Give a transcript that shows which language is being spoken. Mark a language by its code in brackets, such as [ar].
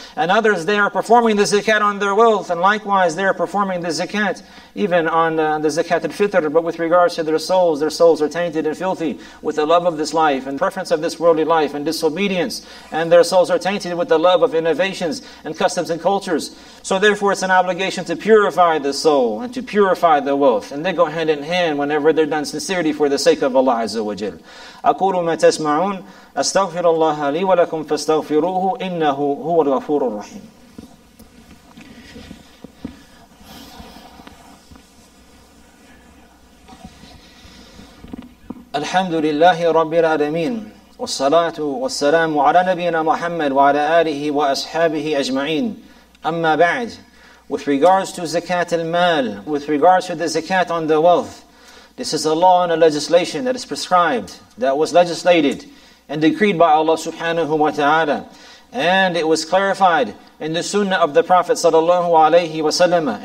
[en] And others, they are performing the zakat on their wealth, and likewise they are performing the zakat even on the zakat al-fitr, but with regards to their souls are tainted and filthy with the love of this life and preference of this worldly life and disobedience, and their souls are tainted with the love of innovations and customs and cultures. So therefore it's an obligation to purify the soul and to purify the wealth, and they go hand in hand whenever they're done sincerely for the sake of Allah Azza wa Jal. [ar] أقول ما تسمعون أستغفر الله لي ولكم فاستغفروه إنه هو الغفور الرحيم. الحمد لله رب العالمين والصلاة والسلام على نبينا محمد وعلى آله وأصحابه أجمعين. أما بعد, [en] with regards to zakat al-mal, with regards to the zakat on the wealth, this is a law and a legislation that is prescribed, that was legislated and decreed by Allah subhanahu wa ta'ala. And it was clarified in the sunnah of the Prophet sallallahu alayhi wa sallam.